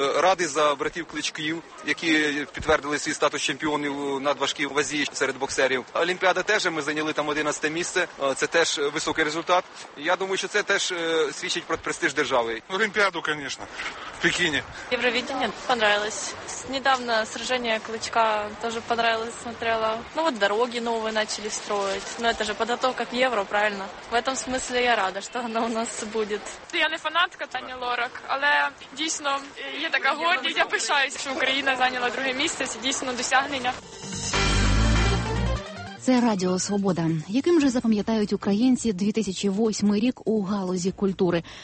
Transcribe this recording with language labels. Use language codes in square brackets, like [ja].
[uk] Радий за братів Кличків, які підтвердили свій статус чемпіонів надважкій вазі серед боксерів. Олімпіада теж, ми зайняли там 11 місце. Це теж високий результат. Я думаю, що це теж свідчить про престиж держави. Олімпіаду, звісно, в Пекіні. [ru] Євровідіння понравилось. Недавно сражение Кличка тоже понравилось, смотрела. Ну вот дороги новые начали строить. Но это же подготовка к Евро, правильно? В этом смысле я рада, что оно у нас будет. [uk] Я не фанатка Тані Лорак, але дійсно є така гордість. Я пишаюсь, що Україна зайняла друге місце. Це дійсно досягнення. Це Радіо Свобода. Яким же запам'ятають українці 2008 рік у галузі культури?